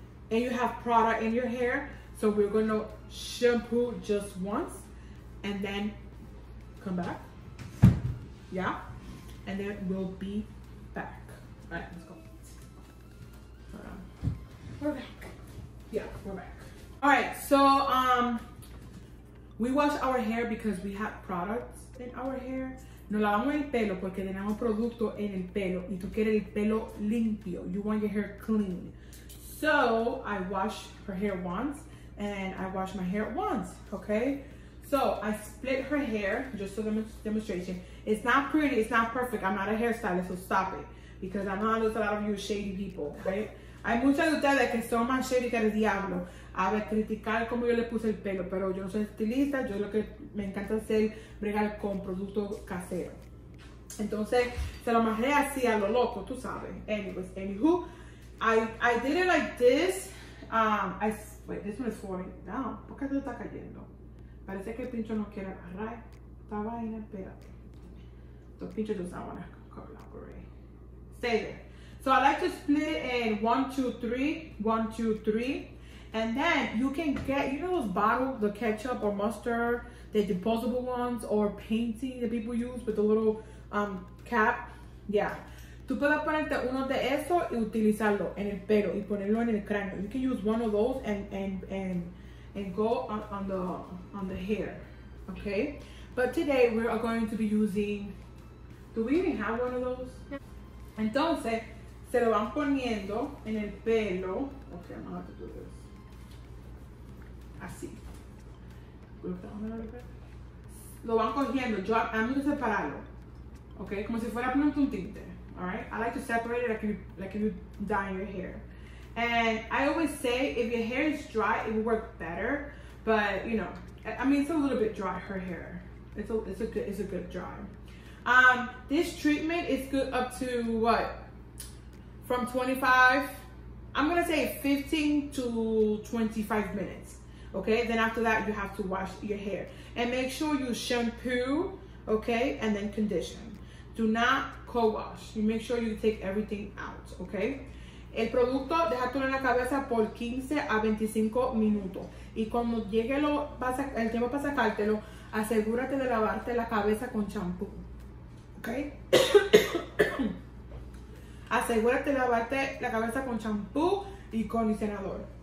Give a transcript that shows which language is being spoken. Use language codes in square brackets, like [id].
[en] And you have product in your hair, so we're gonna shampoo just once, and then come back, yeah, and then we'll be back. All right, let's go. We're back. Yeah, we're back. All right, so we wash our hair because we have products in our hair. [es] No lavamos el pelo porque tenemos producto en el pelo y tú quieres el pelo limpio. [en] You want your hair clean. So I wash her hair once, and I wash my hair once, okay? So I split her hair just for the demonstration. It's not pretty, it's not perfect. I'm not a hairstylist, so stop it. Because I know there's a lot of you shady people, right? [es] Hay muchas de ustedes que son más shady que el diablo. A ver, criticar cómo yo le puse el pelo, pero yo no soy estilista, yo lo que me encanta hacer, bregar con producto casero. Entonces, se lo majé así a lo loco, tú sabes. [en] Anyways, anywho, I did it like this. Wait, this one is falling down. [es] No, ¿por qué se está cayendo? Parece que el pincho no quiere agarrar esta vaina, espérate. [en] The pincho does not want to collaborate. Stay there. So I like to split it in 1, 2, 3, 1, 2, 3. And then you can get, you know those bottles, the ketchup or mustard, the disposable ones or painting that people use with the little cap. Yeah. [es] Tú puedes ponerte uno de eso y utilizarlo en el pelo y ponerlo en el cráneo. [en] You can use one of those and go on the hair. Okay? But today we are going to be using, do we even have one of those? [es] Entonces, se lo van poniendo en el pelo. [en] Okay, I'm gonna have to do this. [es] Así. Lo van cogiendo. Yo amo separarlo. Okay? Como si fuera poniendo un tinte. Alright? [en] I like to separate it like you dye your hair. And I always say if your hair is dry, it will work better. But you know, I mean it's a little bit dry, her hair. It's a good dry. This treatment is good up to what? From 25, I'm gonna say 15 to 25 minutes. Okay, then after that you have to wash your hair and make sure you shampoo, okay, and then condition. Do not co-wash. You make sure you take everything out, okay? [es] El producto, déjate en la cabeza por 15 a 25 minutos. Y cuando llegue el tiempo para sacártelo, asegúrate de lavarte la cabeza con champú. Okay? Asegúrate de lavarte la cabeza con champú y condicionador.